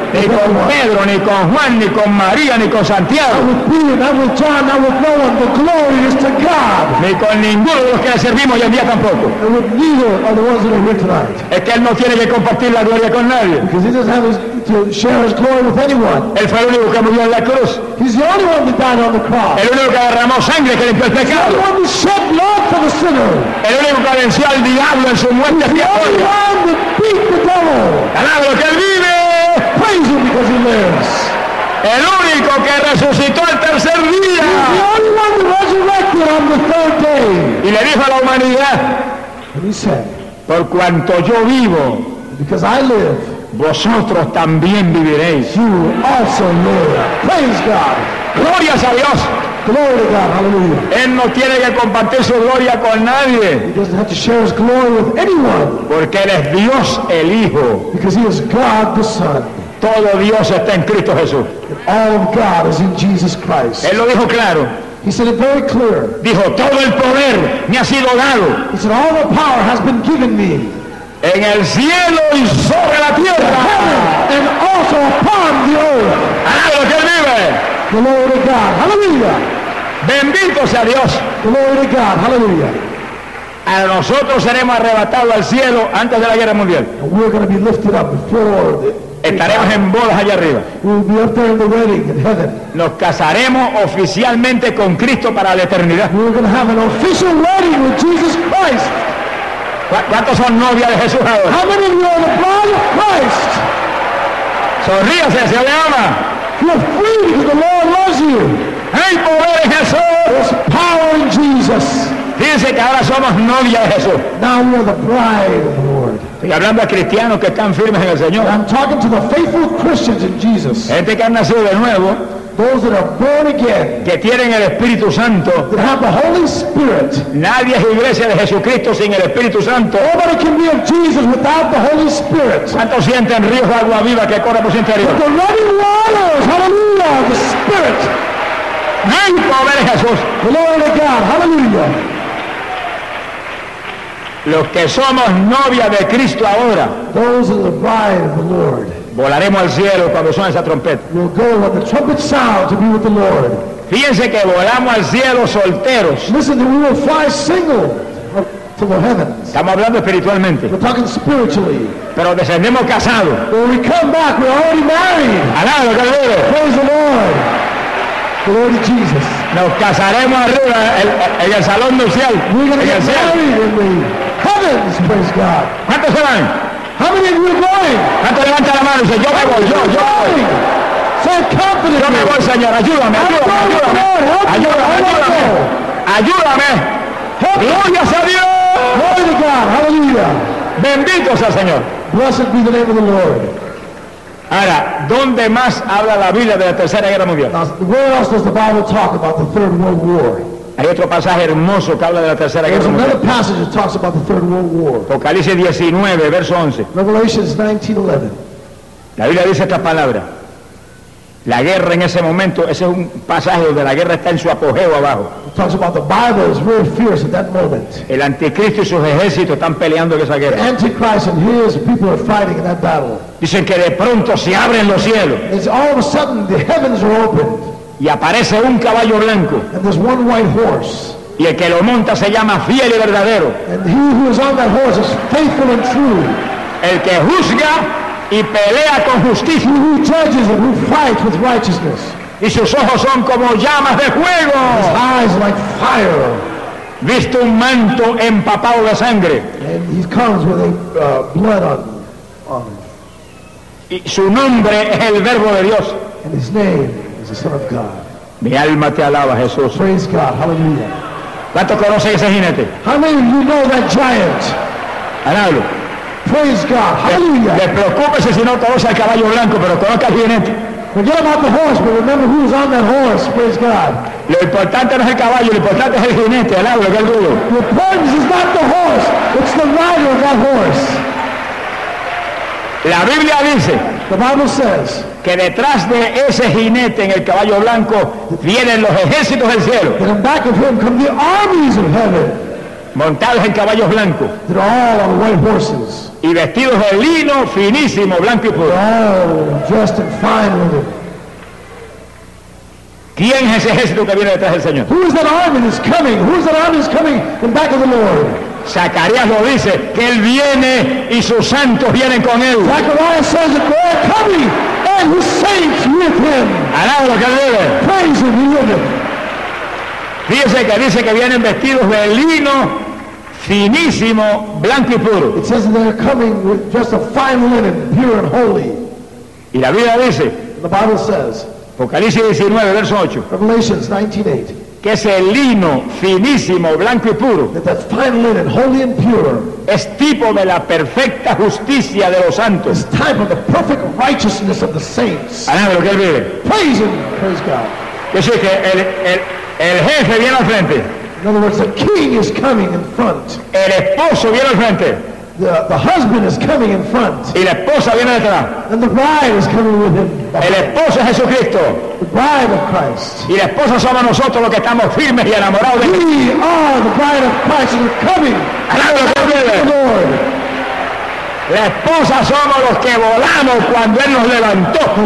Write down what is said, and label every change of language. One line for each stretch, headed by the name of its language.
Spanish: Ni con Pedro, ni con Juan, ni con María, ni con Santiago.
English: Not with Peter, not with John, not with no one. The glory is to God.
Spanish: Ni con ninguno de los que le servimos hoy en día tampoco.
English: And with neither are the ones that are here tonight.
Spanish: Es que él no tiene que compartir la gloria con nadie.
English: Because he doesn't have to share his glory with anyone.
Spanish: Él fue el único que murió en la cruz.
English: He's the only one that died on the cross.
Spanish: El único que derramó sangre que limpió el pecado.
English: He's the only one that shed blood for the sinner.
Spanish: El único que venció al diablo en su muerte expiatoria.
English: He's the only one that beat the devil.
Spanish: Alabado lo que él vive.
English: Praise him because he lives.
Spanish: El único que resucitó el tercer día.
English: He's the only one that resurrected on the third day.
Spanish: Y le dijo a la humanidad.
English: And he said,
Spanish: por cuanto yo vivo.
English: Because I live.
Spanish: Vosotros también viviréis.
English: You also live. Praise God.
Spanish: Glorias a Dios.
English: Glory to God. Hallelujah.
Spanish: Él no tiene que compartir su gloria con nadie.
English: He doesn't have to share his glory with anyone.
Spanish: Porque él es Dios el Hijo.
English: Because he is God the Son.
Spanish: Todo Dios está en Cristo Jesús.
English: All of God is in Jesus Christ.
Spanish: Él lo dijo claro.
English: He said it very clear.
Spanish: Dijo, todo el poder me ha sido dado.
English: He said, all the power has been given me.
Spanish: En el cielo y sobre la tierra.
English: And also upon the earth.
Spanish: Alabado que vive.
English: Glory to God. Hallelujah.
Spanish: Bendito sea Dios.
English: Glory to God. Hallelujah.
Spanish: A nosotros seremos arrebatados al cielo antes de la guerra mundial.
English: And we're going to be lifted up before all of this.
Spanish: Estaremos en bodas allá arriba.
English: We'll be up there in the wedding in heaven.
Spanish: Nos casaremos oficialmente con Cristo para la eternidad.
English: We're going to have an official wedding with Jesus Christ.
Spanish: ¿Cuántos son novia de Jesús ahora?
English: How many of you are the bride of Christ?
Spanish: Sonríase, se le ama.
English: You're free because the Lord loves you.
Spanish: Hay poder en Jesús.
English: There's power in Jesus.
Spanish: Fíjense que ahora somos novia de Jesús.
English: Now we are the bride of the Lord.
Spanish: Estoy hablando a cristianos que están firmes en el Señor.
English: I'm talking to the faithful Christians in Jesus.
Spanish: Gente que ha nacido de nuevo.
English: Those that are born again,
Spanish: que tienen el Espíritu Santo,
English: that have the Holy Spirit.
Spanish: Nadie es iglesia de Jesucristo sin el Espíritu Santo.
English: Nobody can be of Jesus without the Holy Spirit.
Spanish: ¿Cuántos sienten ríos de agua viva que corre por su interior?
English: The running waters, hallelujah, the Spirit.
Spanish: Hay poder en Jesús.
English: Glory to God, hallelujah.
Spanish: Los que somos novia de Cristo ahora.
English: Those are the bride of the Lord.
Spanish: Volaremos al cielo cuando suene esa trompeta.
English: We'll go when the trumpet sounds to be with the Lord.
Spanish: Fíjense que volamos al cielo solteros.
English: Listen, we will fly single to the heavens.
Spanish: Estamos hablando espiritualmente.
English: We're talking spiritually.
Spanish: Pero descendemos casados.
English: When we come back, we're already married.
Spanish: Alabado sea Dios.
English: Praise the Lord. Glory to Jesus.
Spanish: Nos casaremos arriba en el salón nupcial.
English: We're going to get married in the heavens. Praise God.
Spanish: ¿Cuántos serán?
English: How many of you are going?
Spanish: ¿Cuánto levanta la mano y dice, yo me voy, yo me voy?
English: Say confidently.
Spanish: Yo me voy, Señor, ayúdame, ayúdame, ayúdame. Ayúdame, ayúdame. Ayúdame. Gloria a Dios.
English: Glory to God, hallelujah.
Spanish: Bendito sea el Señor.
English: Blessed be the name of the Lord.
Spanish: Ahora, ¿dónde más habla la Biblia de la Tercera Guerra Mundial?
English: Now, where else does the Bible talk about the Third World War?
Spanish: Hay otro pasaje hermoso que habla de la Tercera Guerra Mundial.
English: There's another passage that talks about the Third World War.
Spanish: Apocalipsis 19, verso 11.
English: Revelations 19:11.
Spanish: La Biblia dice estas palabras. La guerra en ese momento, ese es un pasaje donde la guerra está en su apogeo abajo.
English: It talks about the Bible is very fierce at that moment.
Spanish: El anticristo y sus ejércitos están peleando en esa guerra.
English: The Antichrist and his people are fighting in that battle.
Spanish: Dicen que de pronto se abren los cielos.
English: It's all of a sudden the heavens are opened.
Spanish: Y aparece un caballo blanco.
English: And there's one white horse.
Spanish: Y el que lo monta se llama fiel y verdadero.
English: And he who is on that horse is faithful and true.
Spanish: El que juzga y pelea con justicia.
English: He who judges and who fights with righteousness.
Spanish: Y sus ojos son como llamas de fuego.
English: His eyes like fire.
Spanish: Viste un manto empapado de sangre.
English: And he comes with a blood on him.
Spanish: Y su nombre es el Verbo de Dios.
English: And his name. The Son of God.
Spanish: Mi alma te alaba, Jesús.
English: Praise God. Hallelujah.
Spanish: ¿Cuánto conoce ese jinete?
English: How many of you know that giant?
Spanish: Alabado.
English: Praise God. Hallelujah.
Spanish: Preocúpese si no conoce al caballo blanco, pero conozca al jinete.
English: Forget about the horse, but remember who's on that horse, praise God.
Spanish: Lo importante no es el caballo, lo importante es el jinete, al lado, el rudo.
English: The importance is not the horse, it's the rider of that horse.
Spanish: La Biblia dice,
English: the Bible says,
Spanish: que detrás de ese jinete en el caballo blanco vienen los ejércitos del cielo.
English: In back of him come the armies of heaven.
Spanish: Montados en caballos blancos.
English: They're all on white horses.
Spanish: Y vestidos de lino finísimo, blanco y puro.
English: All dressed in fine linen.
Spanish: ¿Quién es ese ejército que viene detrás del Señor?
English: Who is that army that's coming? Who is that army that's coming in back of the Lord?
Spanish: Zacarías lo dice, que él viene y sus santos vienen con él.
English: Zacarías says that they're coming and his saints with him.
Spanish: Alábalo, que vive.
English: Praise him, he lives.
Spanish: Fíjese que dice que vienen vestidos de lino finísimo, blanco y puro.
English: It says that they're coming with just a fine linen, pure and holy.
Spanish: Y la Biblia dice,
English: the Bible says,
Spanish: Apocalipsis 19, verso 8.
English: Revelations 19:8.
Spanish: Que ese lino finísimo, blanco y puro,
English: that fine linen, holy and pure,
Spanish: es tipo de la perfecta justicia de los santos.
English: It's type of the perfect righteousness of the saints.
Spanish: Alábalo, que él vive.
English: Praise him, praise God.
Spanish: Que sí, que el jefe viene al frente.
English: In other words, the king is coming in front.
Spanish: El esposo viene al frente.
English: The husband is coming in front.
Spanish: Y la esposa viene detrás.
English: And the bride is coming with him.
Spanish: El esposo es Jesucristo.
English: The bride of Christ.
Spanish: Y la esposa somos nosotros los que estamos firmes y enamorados de
English: Jesús. We are the bride of Christ and we're coming.
Spanish: La esposa somos los que volamos cuando Él nos levantó.